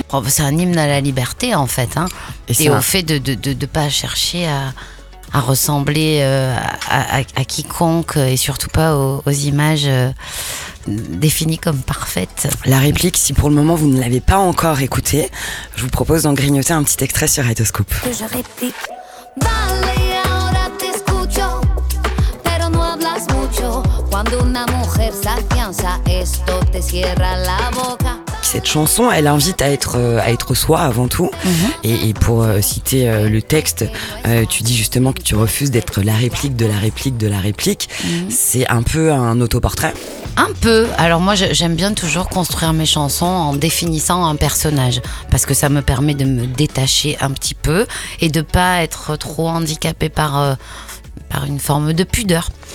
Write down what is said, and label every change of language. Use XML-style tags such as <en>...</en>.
<fr>C'est un hymne à la liberté, en fait. Hein. Et au fait de ne pas chercher à ressembler à quiconque et surtout pas aux images définies comme parfaites. La Réplique, si pour le moment vous ne l'avez pas encore écoutée, je vous propose d'en grignoter un petit extrait sur Radioscope. Que je réplique.</fr> <es>Vale, ahora te escucho, pero no hablas mucho. Cuando una mujer se afianza, esto te cierra la boca.</es> <fr>Cette chanson, elle invite à être soi avant tout. Et pour citer le texte, tu dis justement que tu refuses d'être la réplique de la réplique de la réplique. C'est un peu un autoportrait. Un peu. Alors moi, j'aime bien toujours construire mes chansons en définissant un personnage, parce que ça me permet de me détacher un petit peu et de pas être trop handicapée par une forme de pudeur.</fr>